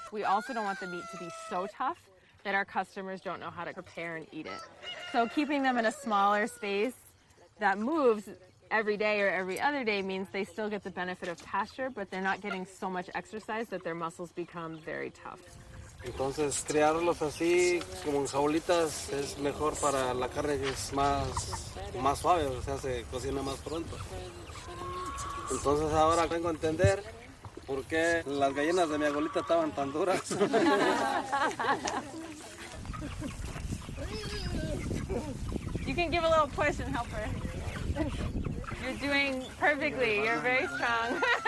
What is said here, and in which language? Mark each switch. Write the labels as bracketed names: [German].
[English] We also don't want the meat to be so tough that our customers don't know how to prepare and eat it. So keeping them in a smaller space that moves every day or every other day means they still get the benefit of pasture, but they're not getting so much exercise that their muscles become very tough. [Spanish] Entonces, criarlos así, como en jaulitas, es mejor para la carne, es más suave, o sea, se cocina más pronto. Entonces, ahora vengo a entender por qué las gallinas de mi abuelita estaban tan duras. [English] You can give a little push and help her. You're doing perfectly, you're very strong.